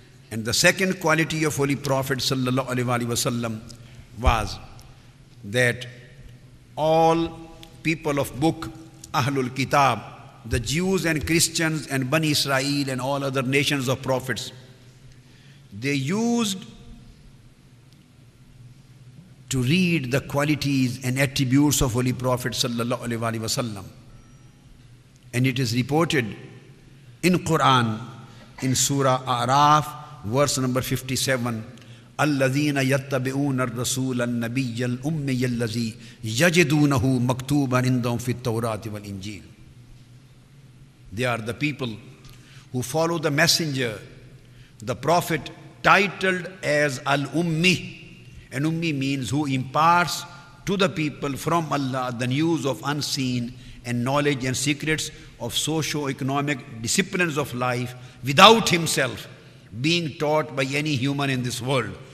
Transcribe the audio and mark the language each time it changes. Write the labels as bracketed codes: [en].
[en] And the second quality of Holy Prophet sallallahu alaihi wasallam was that all people of book, Ahlul Kitab, the Jews and Christians and Bani Israel and all other nations of prophets, they used to read the qualities and attributes of Holy Prophet sallallahu alaihi wasallam. And it is reported in Quran, in Surah A'raf, verse number 57, [ar] الذين يتبعون الرسول النبي الأمي الذي يجدونه مكتوبا عندهم في التوراة والإنجيل. [en] They are the people who follow the messenger, the prophet titled as Al-Ummi. An Ummi means who imparts to the people from Allah the news of unseen and knowledge and secrets of socio-economic disciplines of life without himself being taught by any human in this world.